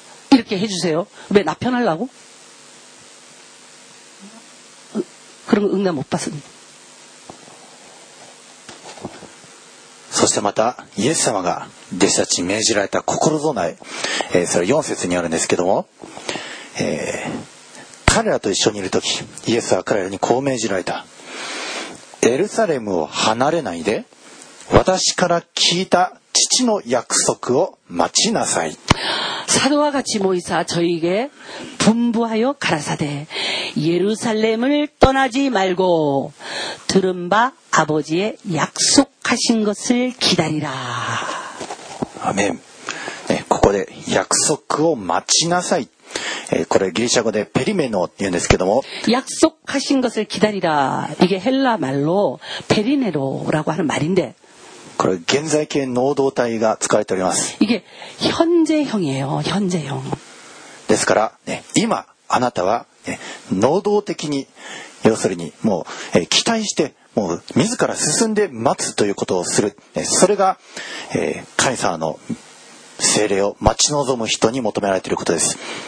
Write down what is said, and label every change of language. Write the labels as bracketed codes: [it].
[ko] 이렇게해주세요왜나편하려고그런응답못받습니다 [ja] そしてまたイエス様が弟子たちに命じられた心備え、それ4節にあるんですけども、彼らと一緒にいるときイエスは彼らにこう命じられたエルサレムを離れないで私から聞いた父の約束を待ちなさい [ko] 사도와같이모이사저에게분부하여가라사대예루살렘을떠나지말고들은바아버지의약속하신것을기다리라 아멘네 [ja] ここで約束を待ちなさいこれギリシャ語でペリメノって言うんですけども、 [ko] 약속하신것을기다리라이게헬라말로페리네로라고하는말인데 [ja] これ現在形能動態が使われております。 [ko] 이게현재형이에요현재형 [ja] ですから、ね、今あなたは、ね、能動的に要するにもう、期待してもう自ら進んで待つということをする、ね、それが、神様の聖霊を待ち望む人に求められていることです。